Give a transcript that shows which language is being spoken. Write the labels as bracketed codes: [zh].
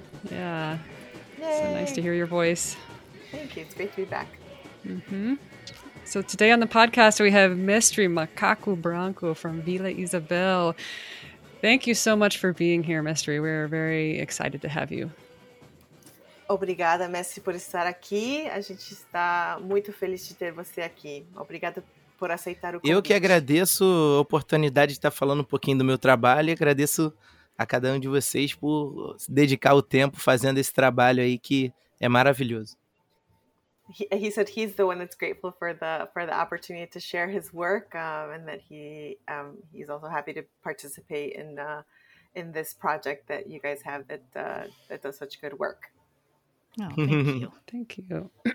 [en] Yeah. Yay. So nice to hear your voice. Thank you. It's great to be back. Mm-hmm. So today on the podcast, we have Mestre Macaco Branco from Villa Isabel. Thank you so much for being here, Mestre. We're very excited to have you. [pt] Obrigada, Mestre, por estar aqui. A gente está muito feliz de ter você aqui. Obrigada por aceitar o convite. Eu que agradeço a oportunidade de estar falando um pouquinho do meu trabalho e agradeço a cada um de vocês por se dedicar o tempo fazendo esse trabalho aí que é maravilhoso. [en] He said he's the one that's grateful for the opportunity to share his work and that he's also happy to participate in this project that you guys have that does such good work. Oh, thank you.